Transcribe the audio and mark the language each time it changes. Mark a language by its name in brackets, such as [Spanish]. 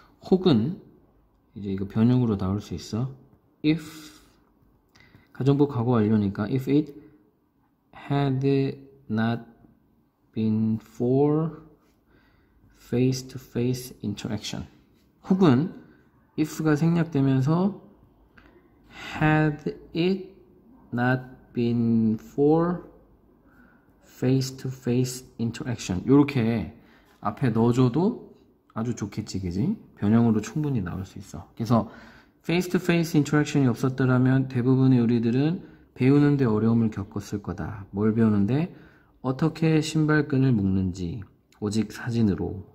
[Korean] 혹은 이제 이거 변형으로 나올 수 있어. [English] If [Korean] 가정부 과거 완료니까 [English] if it had not been for face-to-face interaction. [Korean] 혹은 if가 생략되면서 [English] had it not been for face-to-face interaction. [Korean] 이렇게 앞에 넣어줘도 아주 좋겠지, 그지? 변형으로 충분히 나올 수 있어. 그래서 face-to-face interaction이 없었더라면 대부분의 우리들은 배우는데 어려움을 겪었을 거다. 뭘 배우는데? 어떻게 신발끈을 묶는지. 오직 사진으로.